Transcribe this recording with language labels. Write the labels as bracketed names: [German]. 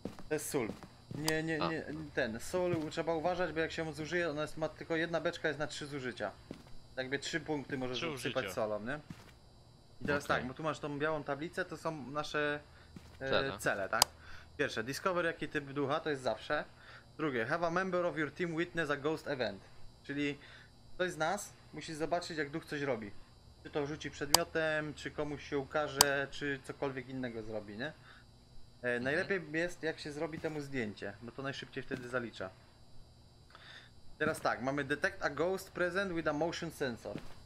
[Polish] To jest sól. Ten. Sól trzeba uważać, bo jak się zużyje, ona jest, ma tylko jedna beczka, jest na trzy zużycia. Jakby trzy punkty możesz usypać solą, nie? I teraz okay. Tak, bo tu masz tą białą tablicę, to są nasze cele, tak? Pierwsze, [English] discover [Polish] jaki typ ducha, to jest zawsze. Drugie, [English] have a member of your team witness a ghost event. [Polish] Czyli ktoś z nas musi zobaczyć, jak duch coś robi. Czy to rzuci przedmiotem, czy komuś się ukaże, czy cokolwiek innego zrobi, nie? Najlepiej jest, jak się zrobi temu zdjęcie, bo to najszybciej wtedy zalicza. Teraz tak, mamy [English] detect a ghost present with a motion sensor.